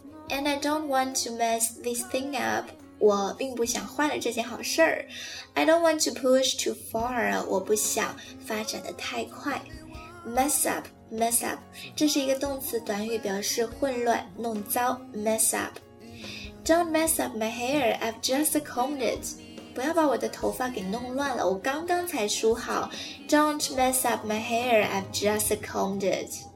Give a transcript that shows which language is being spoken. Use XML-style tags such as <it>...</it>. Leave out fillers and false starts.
<en>And I don't want to mess this thing up，</en> <zh>我并不想坏了这件好事儿。</zh> <en>I don't want to push too far，</en> <zh>我不想发展得太快。 Mess up， 这是一个动词短语，表示混乱、弄糟。Mess up。</zh> <en>Don't mess up my hair， I've just combed it。</en> <zh>不要把我的头发给弄乱了，我刚刚才梳好。</zh> <en>Don't mess up my hair, I've just combed it.</en>